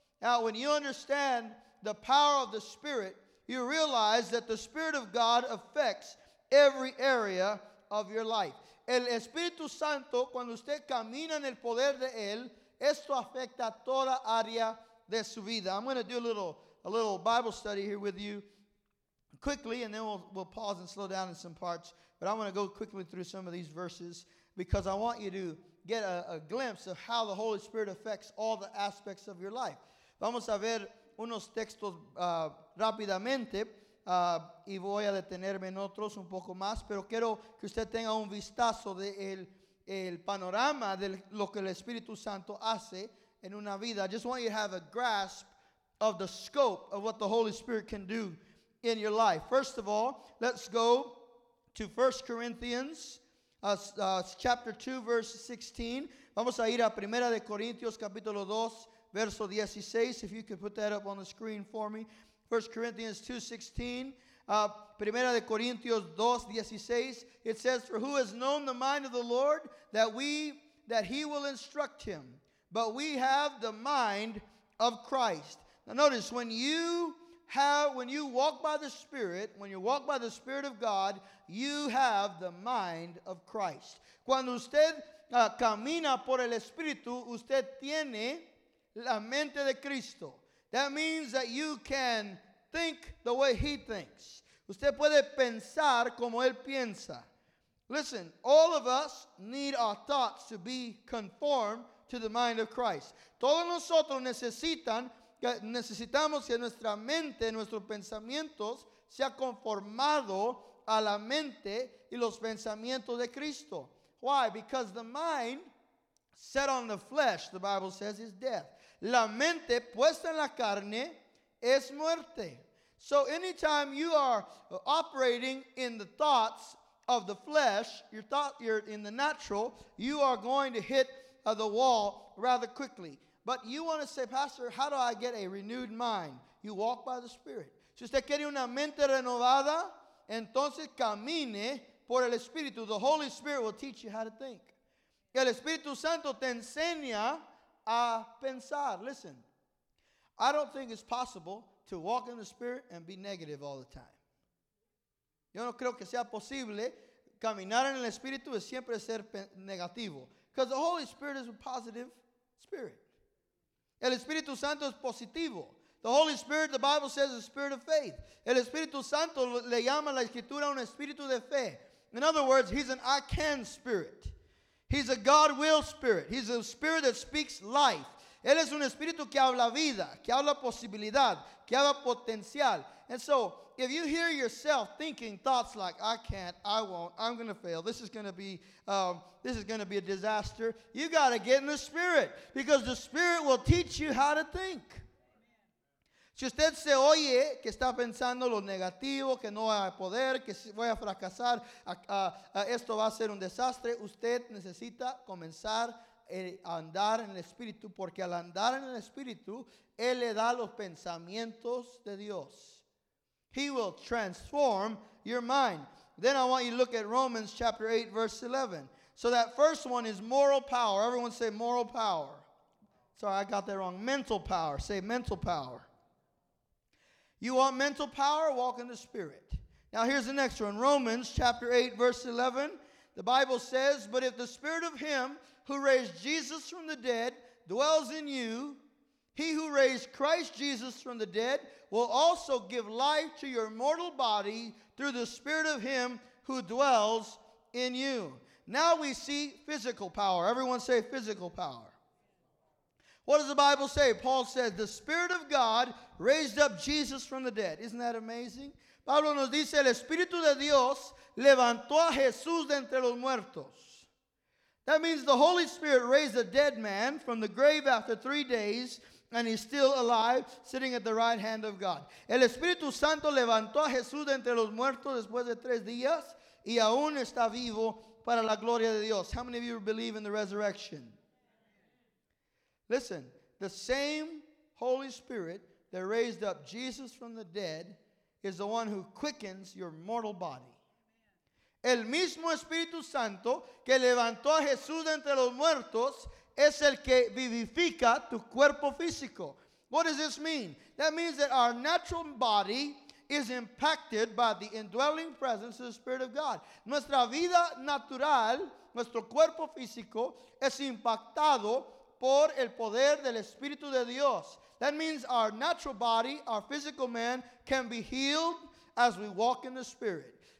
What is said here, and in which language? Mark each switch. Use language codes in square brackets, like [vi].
[en] Now, when you understand the power of the Spirit, you realize that the Spirit of God affects every area of your life. [es] El Espíritu Santo, cuando usted camina en el poder de él, esto afecta toda área de su vida. [en] I'm going to do a little Bible study here with you quickly, and then we'll pause and slow down in some parts. But I want to go quickly through some of these verses because I want you to get a glimpse of how the Holy Spirit affects all the aspects of your life. [es] Vamos a ver unos textos rápidamente y voy a detenerme en otros un poco más, pero quiero que usted tenga un vistazo de el panorama de lo que el Espíritu Santo hace en una vida. [en] I just want you to have a grasp of the scope of what the Holy Spirit can do in your life. First of all, let's go to 1 Corinthians chapter 2, verse 16. [es] Vamos a ir a Primera de Corintios capítulo 2, verso 16, [en] if you could put that up on the screen for me. 1 Corinthians 2:16. [es] Primera de Corintios 2:16. [en] It says, for who has known the mind of the Lord that he will instruct him? But we have the mind of Christ. Now notice, when you walk by the Spirit, when you walk by the Spirit of God, you have the mind of Christ. [es] Cuando usted camina por el Espíritu, usted tiene la mente de Cristo. [en] That means that you can think the way he thinks. [es] Usted puede pensar como él piensa. [en] Listen, all of us need our thoughts to be conformed to the mind of Christ. [es] Todos nosotros necesitamos que nuestra mente, nuestros pensamientos, sea conformado a la mente y los pensamientos de Cristo. [en] Why? Because the mind set on the flesh, the Bible says, is death. [es] La mente puesta en la carne es muerte. [en] So anytime you are operating in the thoughts of the flesh, you're in the natural, you are going to hit the wall rather quickly. But you want to say, Pastor, how do I get a renewed mind? You walk by the Spirit. [es] Si usted quiere una mente renovada, entonces camine por el Espíritu. [en] The Holy Spirit will teach you how to think. [es] El Espíritu Santo te enseña a pensar. [en] Listen, I don't think it's possible to walk in the Spirit and be negative all the time. [es] Yo no creo que sea posible caminar en el Espíritu y siempre ser negativo. [en] Because the Holy Spirit is a positive spirit. [es] El Espíritu Santo es positivo. [en] The Holy Spirit, the Bible says, is a spirit of faith. [es] El Espíritu Santo le llama la Escritura un espíritu de fe. [en] In other words, he's an I can spirit. He's a God will spirit. He's a spirit that speaks life. [es] Él es un espíritu que habla vida, que habla posibilidad, que habla potencial. [en] And so, if you hear yourself thinking thoughts like, I can't, I won't, I'm going to fail, this is going to be a disaster, you got to get in the spirit, because the spirit will teach you how to think. [es] Si usted se oye que está pensando lo negativo, que no va a poder, que voy a fracasar, esto va a ser un desastre, usted necesita comenzar a andar en el Espíritu, porque al andar en el Espíritu, Él le da los pensamientos de Dios. [en] He will transform your mind. Then I want you to look at Romans chapter 8, verse 11. So that first one is moral power. Everyone say moral power. Sorry, I got that wrong. Mental power. Say mental power. You want mental power? Walk in the Spirit. Now here's the next one. Romans chapter 8, verse 11. The Bible says, but if the Spirit of Him who raised Jesus from the dead dwells in you, He who raised Christ Jesus from the dead will also give life to your mortal body through the Spirit of Him who dwells in you. Now we see physical power. Everyone say physical power. What does the Bible say? Paul said, the Spirit of God raised up Jesus from the dead. Isn't that amazing? [es] Pablo nos dice, el Espíritu de Dios levantó a Jesús de entre los muertos. [en] That means the Holy Spirit raised a dead man from the grave after 3 days, and he's still alive, sitting at the right hand of God. [es] El Espíritu Santo levantó a Jesús de entre los muertos después de 3 días, y aún está vivo para la gloria de Dios. [en] How many of you believe in the resurrection? Listen, the same Holy Spirit that raised up Jesus from the dead is the one who quickens your mortal body. [es] El mismo Espíritu Santo que levantó a Jesús de entre los muertos es el que vivifica tu cuerpo físico. [en] What does this mean? That means that our natural body is impacted by the indwelling presence of the Spirit of God. [es] Nuestra vida natural, nuestro cuerpo físico, es impactado por el poder del Espíritu de Dios. [en] That means our natural body, our physical man, can be healed as we walk in the Spirit.